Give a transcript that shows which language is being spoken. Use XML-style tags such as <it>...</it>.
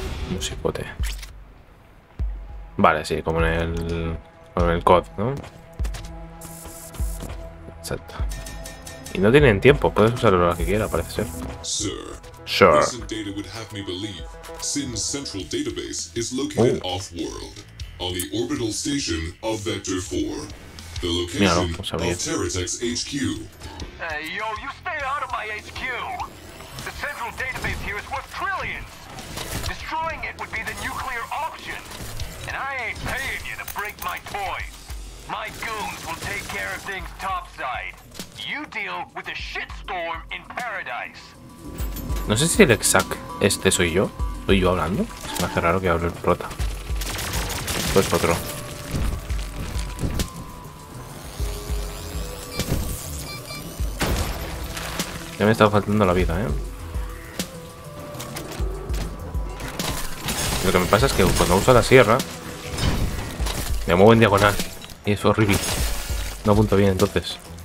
<es>Musicote. Vale, sí, como en el... Como en el COD, ¿no? Exacto. Y no tienen tiempo, puedes usarlo lo que quiera, parece ser.</es> <en>Sir, sure. Recent data would have me believe, Sin's central database is located off-world, on the orbital station of Vector 4. The location of Terratech's HQ. Hey, yo, you stay out of my HQ! The central database here is worth trillions! Destroying it would be the nuclear option! And I ain't paying you to break my toys! My goons will take care of things topside. You deal with a shitstorm in paradise.</en> <es>No sé si el exact este soy yo. ¿Soy yo hablando? Se me hace raro que hable el prota. Pues otro. Ya me estaba faltando la vida, ¿eh? Lo que me pasa es que cuando uso la sierra, me muevo en diagonal. Y es horrible. No apunto bien entonces.</es>